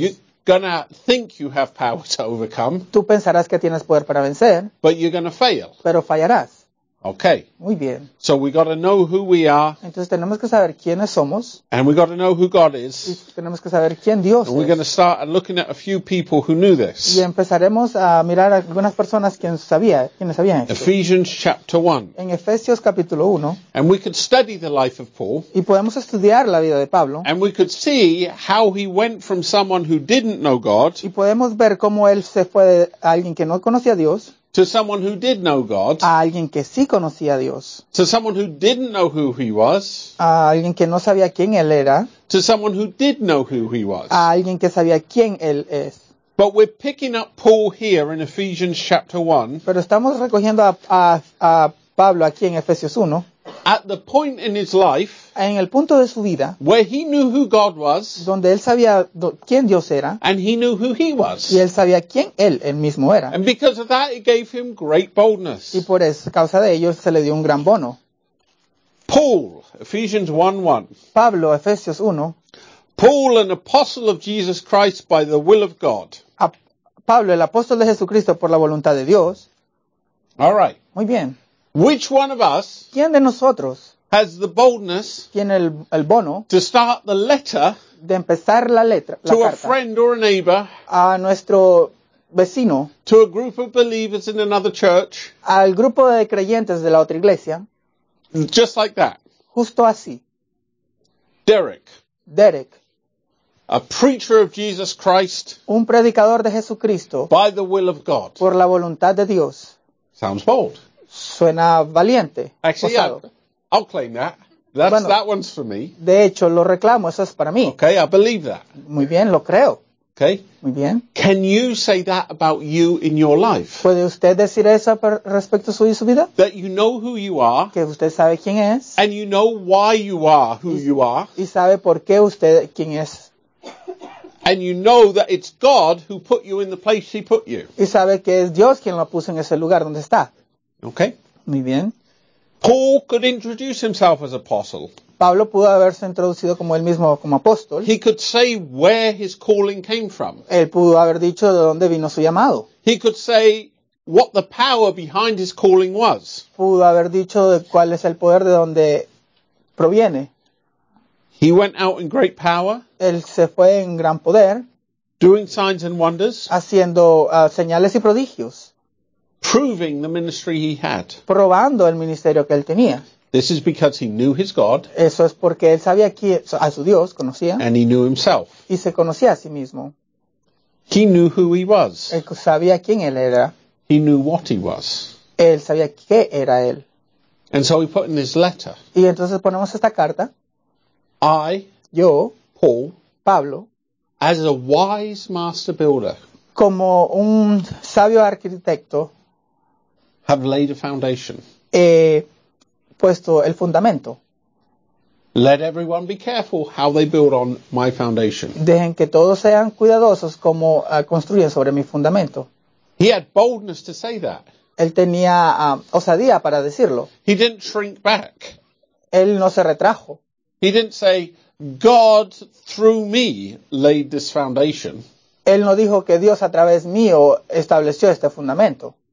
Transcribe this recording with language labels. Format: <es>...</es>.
<en>You're going to think you have power to overcome.</en> <es>Tú pensarás que tienes poder para vencer.</es> <en>But you're going to fail.</en> <es>Pero fallarás.</es> <en>Okay.</en> <es>Muy bien.</es> <en>So we got to know who we are.</en> <es>Entonces tenemos que saber quiénes somos.</es> <en>And we got to know who God is.</en> <es>Y tenemos que saber quién Dios</es> <en>and We're going to start looking at a few people who knew this.</en> <es>Y empezaremos a mirar a algunas personas quiénes sabían esto.</es> <en>Ephesians chapter 1.</en> <es>En Efesios capítulo 1.</es> <en>And we could study the life of Paul.</en> <es>Y podemos estudiar la vida de Pablo.</es> <en>And we could see how he went from someone who didn't know God.</en> <es>Y podemos ver cómo él se fue de alguien que no conocía a Dios.</es> <en>To someone who did know God.</en> <es>A alguien que sí conocía a Dios.</es> <en>To someone who didn't know who he was.</en> <es>A alguien que no sabía quién él era.</es> <en>To someone who did know who he was.</en> <es>A alguien que sabía quién él es.</es> <en>But we're picking up Paul here in Ephesians chapter 1.</en> <es>Pero estamos recogiendo a Pablo aquí en Efesios 1,</es> <en>at the point in his life,</en> <es>en el punto de su vida,</es> <en>where he knew who God was,</en> <es>donde él sabía quién Dios era,</es> <en>and he knew who he was,</en> <es>y él sabía quién él mismo era.</es> <en>And because of that, it gave him great boldness.</en> <es>Y por eso, causa de ello, se le dio un gran bono.</es> <en>Paul, Ephesians 1:1.</en> <es>Pablo, Efesios 1.</es> <en>Paul, an apostle of Jesus Christ by the will of God.</en> <es>Pablo, el apóstol de Jesucristo por la voluntad de Dios.</es> <en>All right.</en> <es>Muy bien.</es> <en>Which one of us,</en> <es>¿quién de nosotros,</es> <en>has the boldness,</en> <es>tiene el bono,</es> <en>to start the letter,</en> <es>de empezar la letra,</es> <en>to</en> <es>la carta,</es> <en>a friend or a neighbor,</en> <es>a nuestro vecino,</es> <en>to a group of believers in another church,</en> <es>al grupo de creyentes de la otra iglesia,</es> <en>just like that.</en> <es>Justo así.</es> <en>Derek. A preacher of Jesus Christ.</en> <es>Un predicador de Jesucristo.</es> <en>By the will of God.</en> <es>Por la voluntad de Dios.</es> <en>Sounds bold.</en> <es>Suena valiente.</es> <en>Actually, yeah, I'll claim that. That's, bueno, that one's for me.</en> <es>De hecho, lo reclamo. Eso es para mí.</es> <en>Okay, I believe that.</en> <es>Muy bien, lo creo.</es> <en>Okay.</en> <es>Muy bien.</es> <en>Can you say that about you in your life?</en> <es>¿Puede usted decir eso respecto a su vida?</es> <en>That you know who you are.</en> <es>Que usted sabe quién es.</es> <en>And you know why you are who you are.</en> <es>Y sabe por qué usted quién es.</es> <en>And you know that it's God who put you in the place he put you.</en> <es>Y sabe que es Dios quien lo puso en ese lugar donde está.</es> <en>Okay.</en> <es>Muy bien.</es> <en>Paul could introduce himself as apostle.</en> <es>Pablo pudo haberse introducido como él mismo, como apóstol.</es> <en>He could say where his calling came from.</en> <es>Él pudo haber dicho de dónde vino su llamado.</es> <en>He could say what the power behind his calling was.</en> <es>Pudo haber dicho de cuál es el poder de donde proviene.</es> <en>He went out in great power.</en> <es>Él se fue en gran poder.</es> <en>Doing signs and wonders.</en> <es>Haciendo señales y prodigios.</es> <en>Proving the ministry he had.</en> <es>Probando el ministerio que él tenía.</es> <en>This is because he knew his God.</en> <es>Eso es porque él sabía a su Dios, conocía.</es> <en>And he knew himself.</en> <es>Y se conocía a sí mismo.</es> <en>He knew who he was.</en> <es>Él sabía quién él era.</es> <en>He knew what he was.</en> <es>Él sabía qué era él.</es> <en>And so we put in this letter.</en> <es>Y entonces ponemos esta carta.</es> <en>I,</en> <es>yo,</es> <en>Paul,</en> <es>Pablo,</es> <en>as a wise master builder,</en> <es>como un sabio arquitecto,</es> <en>have laid a foundation.</en> <es>Puesto el fundamento.</es> <en>Let everyone be careful how they build on my foundation.</en> <es>Dejen que todos sean cuidadosos como construyen sobre mi fundamento.</es> <en>He had boldness to say that.</en> <es>Él tenía osadía para decirlo.</es> <en>He didn't shrink back.</en> <es>Él no se retrajo.</es> <en>He didn't say, God through me laid this foundation.</en> <es>Él no dijo que Dios a través mío estableció este fundamento.</es>